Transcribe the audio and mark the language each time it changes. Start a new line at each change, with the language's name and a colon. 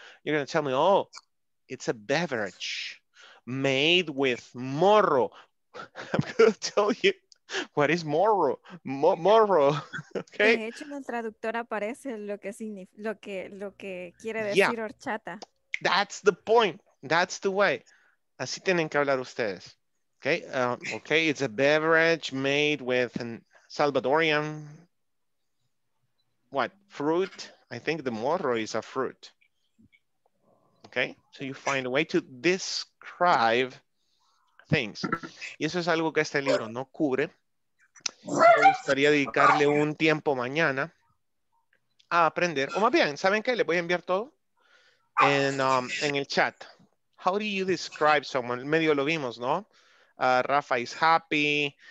English: You're going to tell me, oh, it's a beverage made with morro. I'm going to tell you, what is morro? Morro. Okay.
Spanish: De hecho, en el traductor aparece lo que significa, lo que quiere decir, yeah, horchata.
English: That's the point. That's the way.
Spanish: Así tienen que hablar ustedes.
English: Okay. Okay. It's a beverage made with an Salvadorian, what, fruit? I think the morro is a fruit. Okay, so you find a way to describe things.
Spanish: Y eso es algo que este libro no cubre. Me gustaría dedicarle un tiempo mañana a aprender. O más bien, ¿saben qué? Les voy a enviar todo en el chat.
English: How do you describe someone?
Spanish: Medio lo vimos, ¿no?
English: Rafa is happy.